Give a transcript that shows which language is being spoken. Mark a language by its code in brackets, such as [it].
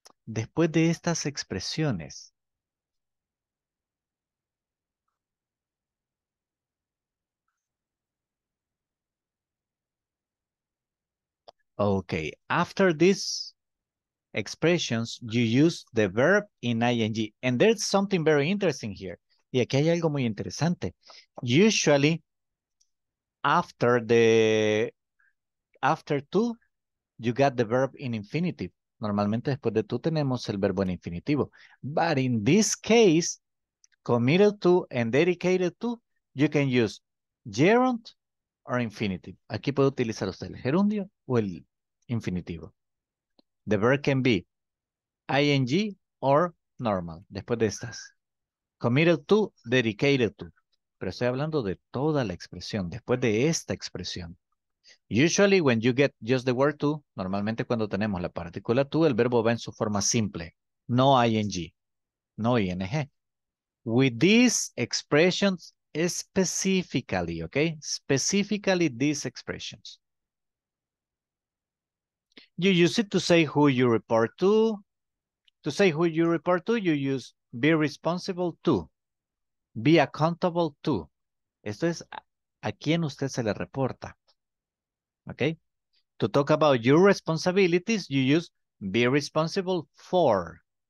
[es] Después de estas expresiones, [en] okay, after these expressions, you use the verb in ing. And there's something very interesting here. [es] Y aquí hay algo muy interesante. [en] Usually, after two, you got the verb in infinitive, [es] normalmente después de tú tenemos el verbo en infinitivo. [en] But in this case, committed to and dedicated to, you can use gerund or infinitive. [es] Aquí puede utilizar usted el gerundio o el infinitivo. [en] The verb can be ing or normal, [es] después de estas. [en] Committed to, dedicated to. [es] Pero estoy hablando de toda la expresión, después de esta expresión. [en] Usually when you get just the word to, [es] normalmente cuando tenemos la partícula to, el verbo va en su forma simple. [en] No ing, no ing. With these expressions specifically, okay? Specifically these expressions. You use it to say who you report to. To say who you report to, you use be responsible to. Be accountable to. [es] Esto es a quien usted se le reporta. [en] Okay? To talk about your responsibilities, you use be responsible for.